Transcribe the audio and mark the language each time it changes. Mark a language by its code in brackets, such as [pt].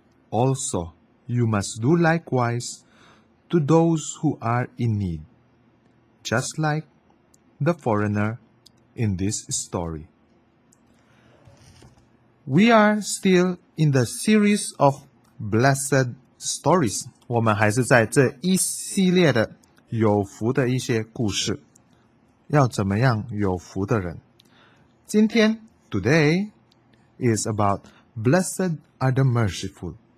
[en] Also, you must do likewise to those who are in need. Just like the foreigner in this story. We are still in the series of blessed stories. [zh] 我们还是在这一系列的有福的一些故事。要怎么样有福的人？今天 [en] today is about blessed are the merciful.